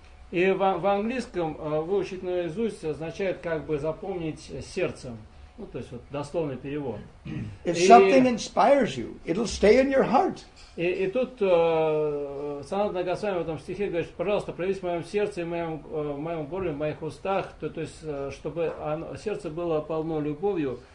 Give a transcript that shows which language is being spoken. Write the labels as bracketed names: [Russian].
[Russian] И в английском выучить наизусть означает как бы запомнить сердцем. Ну, то есть вот дословный перевод. [English] If something inspires you, it'll stay in your heart. [Russian] И тут Санат Нагасвами в этом стихе говорит, пожалуйста, проявись в моем сердце, в моем горле, в моих устах, то есть чтобы сердце было полно любовью.